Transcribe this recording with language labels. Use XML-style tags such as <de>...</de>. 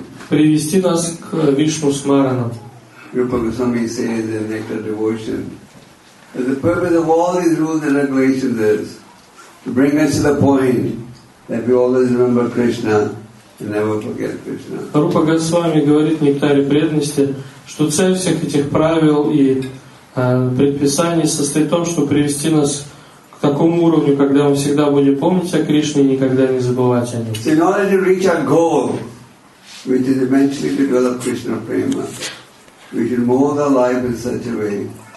<ru>Привести нас к Вишну Смаранам. Рупа Госвами говорит, что</ru> <en>nectar devotion. The purpose of all these rules and regulations is to bring us to the point that we always remember Krishna and never forget Krishna.</en> <ru>Рупа Госвами говорит в нектаре преданности, что цель всех этих правил и предписаний состоит в том, чтобы привести нас к такому уровню, когда мы всегда будем помнить о Кришне и никогда не забывать о нем.</ru> <en>So in order to reach our goal, which is eventually to develop Krishna prema, we should mold our life in such a way.</en>